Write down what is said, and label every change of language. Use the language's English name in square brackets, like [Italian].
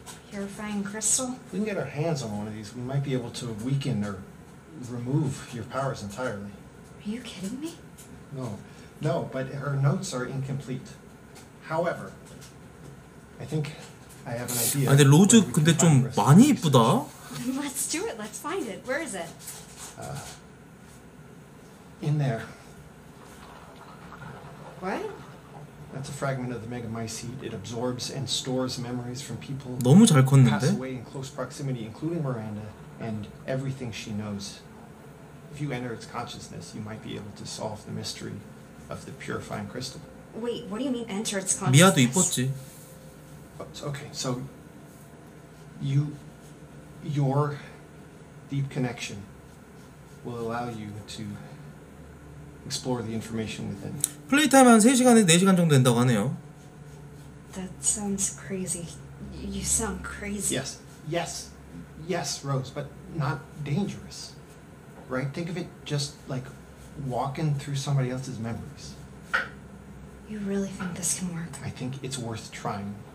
[English] Purifying crystal? If we can get our hands on one of these, we might be able to weaken or remove your powers entirely. Are you kidding me? No. No, but her notes are incomplete. However, I think I have an idea. [Korean] 아, 근데 로즈 근데 좀 많이 이쁘다. [English] Let's do it. Let's find it. Where is it? In there. What? That's a fragment of the megamycete. It absorbs and stores memories from people. [Korean] 너무 잘 컸는데? [English] Pass away in close proximity, including Miranda and everything she knows. If you enter its consciousness, you might be able to solve the mystery of the purifying crystal. Wait, what do you mean enter its consciousness? [Korean] 미아도 이뻤지. [English] Okay, so you, your deep connection will allow you to explore the information within. [Korean] 플레이타임 한 3시간에서 4시간 정도 된다고 하네요. [English] That sounds crazy. You sound crazy. Yes, yes, yes, Rose, but not dangerous. Right? Think of it just like walking through somebody else's memories. You really think this can work? I think it's worth trying.